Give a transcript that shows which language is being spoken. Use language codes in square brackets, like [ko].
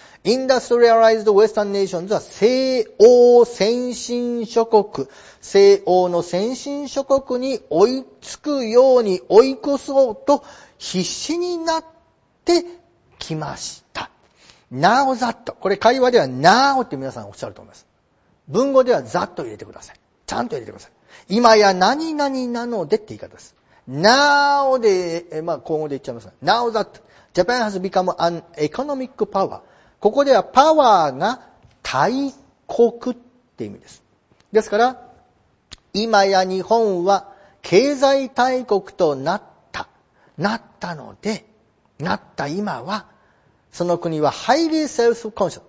[en] industrialized Western nations [ja] は西欧先進諸国、西欧の先進諸国に追いつくように追い越そうと必死になってきました。 Now that、 これ会話では Now って皆さんおっしゃると思います。文語では That 入れてください。ちゃんと入れてください。今や何々なのでって言い方です。Now で、まあ、今後で言っちゃいます。 [en] Now that Japan has become an economic power。 [ja] ここではパワーが大国って意味です。ですから、今や日本は経済大国となった。なったので、なった今は、その国は [en] highly self-conscious。